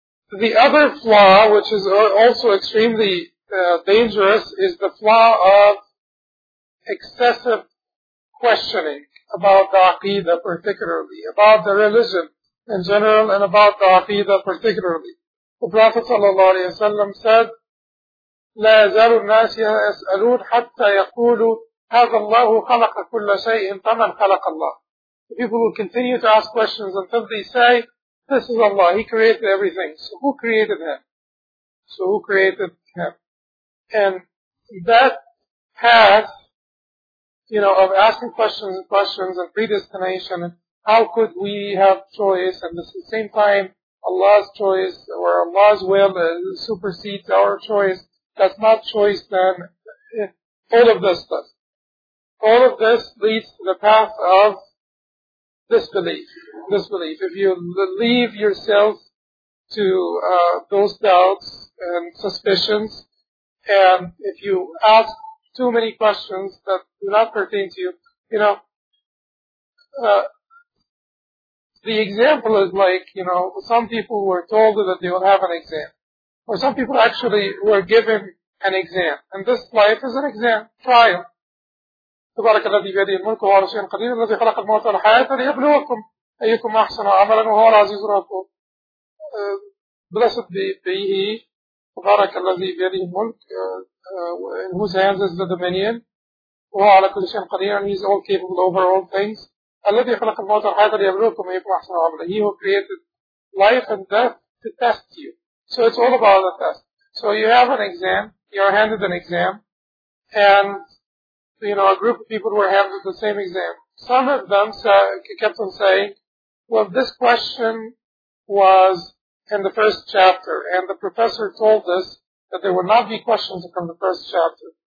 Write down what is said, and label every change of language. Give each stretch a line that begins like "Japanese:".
English: The other flaw, which is also extremely dangerous, is the flaw of excessive questioning about the aqidah particularly, about the religion in general and about the aqidah particularly. The Prophet sallallahu alayhi wa sallam said,
Arabic: لا يزال الناس يسألون حتى يقولوا هذا الله خلق كل شيء فمن خلق الله.
English: People will continue to ask questions until they say, this is Allah, He created everything. So who created Him? So who created Him? And that path you know, of asking questions and questions and predestination, and how could we have choice? And at the same time, Allah's choice or Allah's will supersedes our choice. That's not choice then. All of this does. All of this leads to the path of disbelief. If you leave yourself to those doubts and suspicions, and if you ask too many questions that do not pertain to you, you know, the example is like, you know, some people were told that they will have an exam, or some people actually were given an exam, and this life is an exam, trial.
Arabic: تبارك الذي بيده الملك وهو على شيء قدير الذي خلق الموت والحياة ليبلوكم أيكم أحسن عملا وهو العزيز الغفور.
English: Blessed be he,
Arabic: تبارك الذي بيده الملك,
English: in whose hands is the dominion,
Arabic: وهو على كل شيء قدير,
English: and he is all capable over all things.
Arabic: الذي خلق الموت والحياة ليبلوكم أيكم أحسن عملا.
English: He who created life and death to test you. So it's all about the test. So you have an exam, you're handed an exam, and you know, a group of people were handed the same exam. Some of them kept on saying, well, this question was in the first chapter, and the professor told us that there would not be questions from the first chapter.